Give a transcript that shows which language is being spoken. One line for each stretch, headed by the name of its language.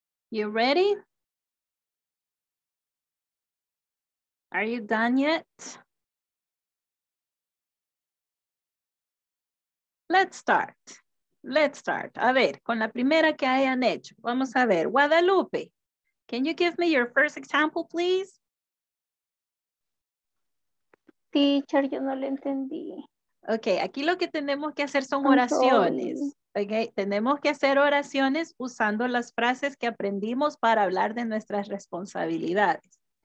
English: You ready? Are you done yet? Let's start.
Spanish: A ver, con la primera que hayan hecho. Vamos a ver.
English: Guadalupe, can you give me your first example, please?
Spanish: Teacher, yo no le entendí. Ok, aquí lo que tenemos que hacer son oraciones. Ok, tenemos que hacer oraciones usando las frases que aprendimos para hablar de nuestras responsabilidades.